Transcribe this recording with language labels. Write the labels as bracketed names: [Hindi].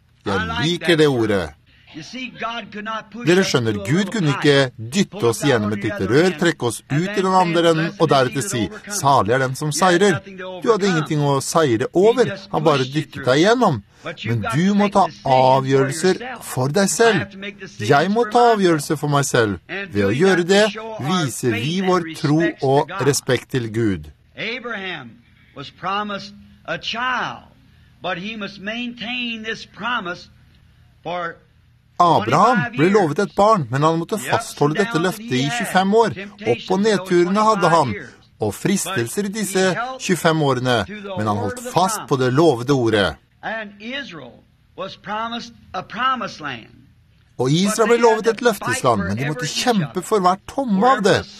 [Norwegian] Jeg liker det ordet. Dere skjønner, Gud kunne ikke dytte oss gjennom et lite rør, trekke oss ut i den andre enden, og deretter si, «Salig er den som seirer». Du hadde ingenting å seire over, han bare dyttet deg gjennom. Men du må ta avgjørelser for deg selv. Jeg må ta avgjørelser for meg selv. Ved å gjøre det, viser vi vår tro og respekt til Gud. [English] Abraham, was promised a child, but he must maintain this promise for [Norwegian] Abraham ble lovet et barn, men han måtte fastholde dette løftet i 25 år. Opp- og nedturene hadde han, og fristelser i disse 25 årene, men han holdt fast på det lovede ordet. Og Israel ble lovet et løftesland, men de måtte kjempe for hver tomme av det.